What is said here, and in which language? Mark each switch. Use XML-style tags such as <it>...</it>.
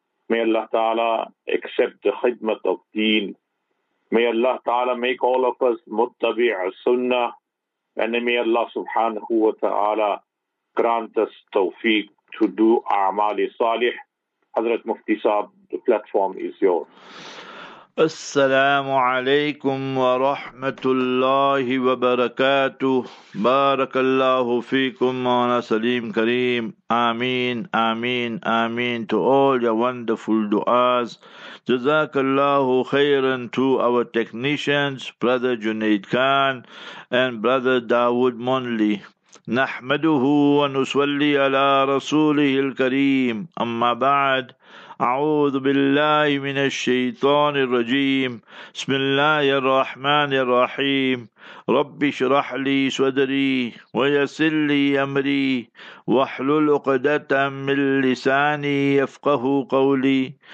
<en>May Allah Ta'ala accept the khidmat of Deen. May Allah Ta'ala make all of us Muttabi' Sunnah. And may Allah Subhanahu wa Ta'ala grant us Tawfiq to do A'mali Salih. Hazrat Mufti Sahib, the platform is yours.</en> <ar>السلام عليكم ورحمة الله وبركاته. بارك الله فيكم مولانا سليم كريم. آمين آمين آمين</ar> <en>to all your wonderful du'as.</en> <ar>جزاك الله خيرا</ar> <en>to our technicians, brother Junaid Khan and brother Dawood Monley.</en> <ar>نحمده ونصلي على رسوله الكريم. أما بعد, أعوذ بالله من الشيطان الرجيم. بسم الله الرحمن الرحيم. رب اشرح لي صدري ويسر لي أمري واحلل عقدة من لساني يفقه قولي.</ar>